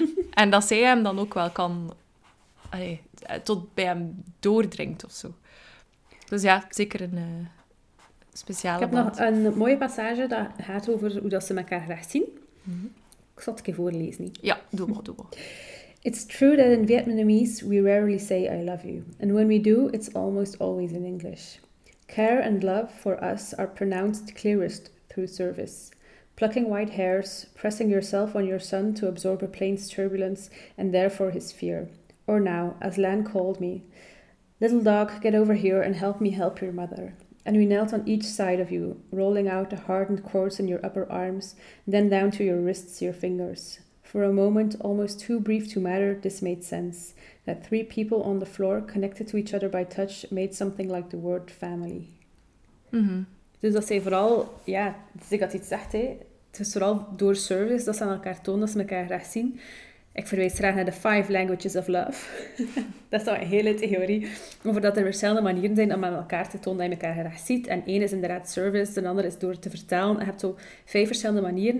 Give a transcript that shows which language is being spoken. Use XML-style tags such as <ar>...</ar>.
<nl>En dat zij hem dan ook wel kan... Allee, tot bij hem doordringt of zo. Dus ja, zeker een speciale band. Ik heb nog een mooie passage dat gaat over hoe dat ze elkaar graag zien. Mm-hmm. Ik zal het een keer voorlezen. Ja, doe maar.</nl> <en>It's true that in Vietnamese we rarely say I love you. And when we do, it's almost always in English. Care and love for us are pronounced clearest through service. Plucking white hairs, pressing yourself on your son to absorb a plane's turbulence and therefore his fear. Or now, as Lan called me, little dog, get over here and help me help your mother. And we knelt on each side of you, rolling out a hardened cords in your upper arms, then down to your wrists, your fingers. For a moment, almost too brief to matter, this made sense. That three people on the floor, connected to each other by touch, made something like the word family. Mm-hmm.</en> <nl>Dus dat zij vooral, ja, dus ik had iets gezegd, hè. Het is vooral door service dat ze aan elkaar tonen, dat ze elkaar graag zien. Ik verwijs graag naar de 5 languages of love. Dat is dan een hele theorie. Over dat er verschillende manieren zijn om aan elkaar te tonen dat je elkaar graag ziet. En één is inderdaad service, de ander is door te vertellen. Je hebt zo 5 verschillende manieren.</nl>